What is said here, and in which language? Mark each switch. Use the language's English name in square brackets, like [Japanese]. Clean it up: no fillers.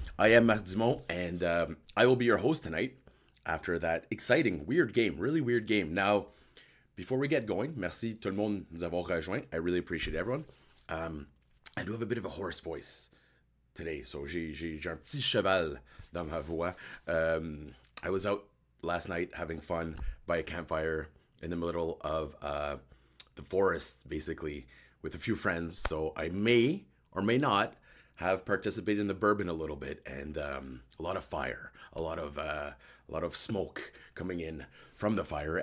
[English] I am Marc Dumont and I will be your host tonight after that exciting, weird game, really weird game. Now, before we get going, [French] merci tout le monde nous avoir rejoint. [English] I really appreciate everyone. I do have a bit of a hoarse voice today, so [French] j'ai un petit cheval dans ma voix. [English] I was out last night having fun by a campfire in the middle of the forest, basically, with a few friends, so I may or may not have participated in the bourbon a little bit, and a lot of fire, a lot of smoke coming in from the fire.